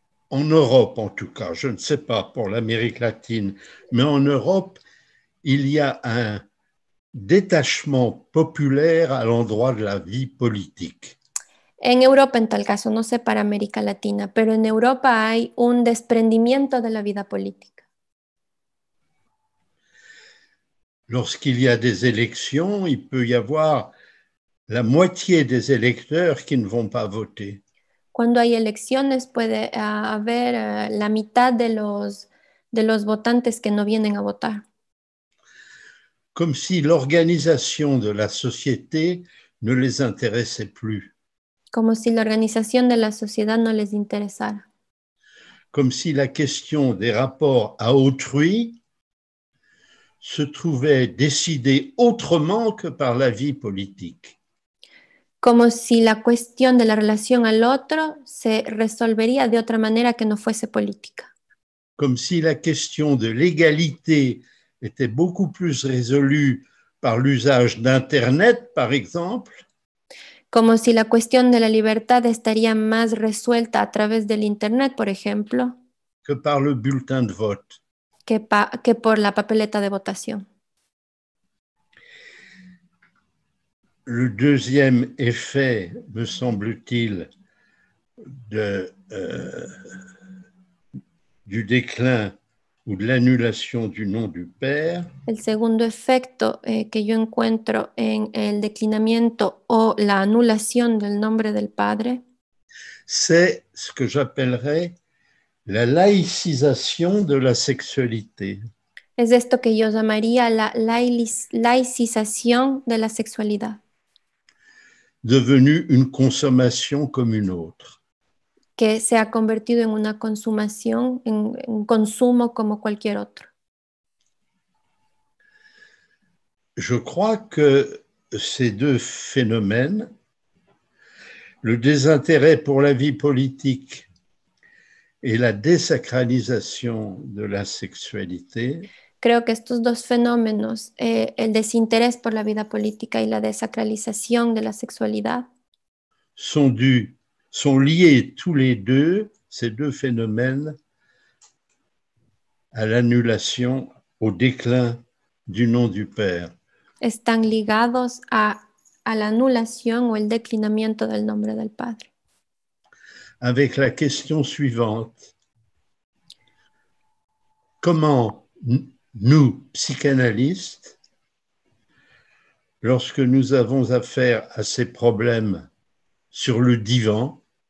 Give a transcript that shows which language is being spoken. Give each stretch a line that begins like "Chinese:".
French: En Europe, en tout cas, je ne sais pas pour l'Amérique latine, mais en Europe, il y a un détachement populaire à l'endroit de la vie politique.
Spanish: En Europa, en tal caso, no sé para América Latina, pero en Europa hay un desprendimiento de la vida política.
French: Lorsqu'il y a des élections, il peut y avoir la moitié des électeurs qui ne vont pas voter.
Spanish: Cuando hay elecciones, puede haber la mitad de los votantes que no vienen a votar.
French: Comme si l'organisation de la société ne les intéressait plus.
Spanish: Como si la organización de la sociedad no les interesara.
French: Comme si la question des rapports à autrui se trouvait décidée autrement que par la vie politique.
Spanish: Como si la cuestión de la relación al otro se resolvería de otra manera que no fuese política.
French: Comme si la question de l'égalité était beaucoup plus résolu par l'usage d'Internet, par exemple.
Spanish: Como si la cuestión de la libertad estaría más resuelta a través del Internet, por ejemplo.
French: Que par le bulletin de vote.
Spanish: Que por la papeleta de votación.
French: Le deuxième effet, me semble-t-il, du déclin ou de l'annulation du nom du Père.
Spanish: El segundo efecto que yo encuentro en el declinamiento o la anulación del nombre del Padre.
French: C'est ce que j'appellerais la laïcisation de la sexualité.
Spanish: Es esto que yo llamaría la laicización de la sexualidad.
French: Devenue une consommation comme une autre.
Spanish: Que se ha convertido en una consumación, en un consumo como cualquier otro.
French: Je crois que ces deux phénomènes, le désintérêt pour la vie politique et la désacralisation de la sexualité,
Spanish: creo que estos dos fenómenos, el desinterés por la vida política y la desacralización de la sexualidad,
French: sont liés tous les deux, ces deux phénomènes, à l'annulation, au déclin du nom du Père.
Spanish: Están ligados a la anulación o el declinamiento del nombre del Padre.
French: Avec la question suivante. Comment nous, psychanalystes, lorsque nous avons affaire à ces problèmes sur le divan,